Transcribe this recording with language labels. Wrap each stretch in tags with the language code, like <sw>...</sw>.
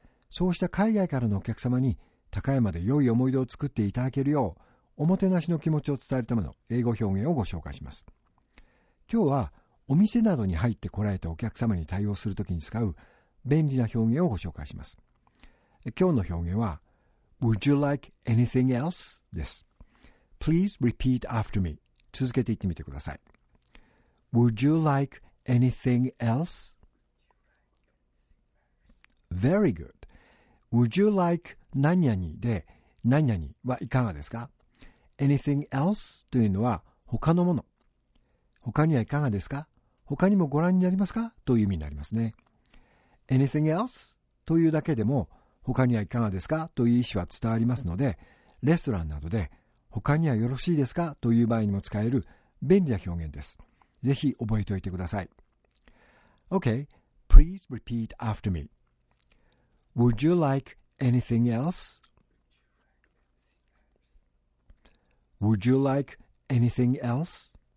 <ja>そうした海外からのお客様に高山で良い思い出を作っていただけるよう、おもてなしの気持ちを伝えるための英語表現をご紹介します。今日はお店などに入って来られたお客様に対応するときに使う便利な表現をご紹介します。今日の表現は、</ja> <en>Would you like anything else?</en> <ja>です。</ja> <en>Please repeat after me.</en> <ja>続けて言ってみてください。</ja> <en>Would you like anything else? Very good. Would you like</en> <ja>何々で何々はいかがですか?</ja> <en>Anything else?</en> <ja>というのは他のもの。他にはいかがですか? 他にもご覧になりますか?という意味になりますね。</ja> <en>Anything else?</en> <ja>というだけでも他にはいかがですかという意思は伝わりますので、レストランなどで他にはよろしいですかという場合にも使える便利な表現です。ぜひ覚えておいてください。</ja> <en>Okay, please repeat after me. Would you like anything else? Would you like anything else?</en>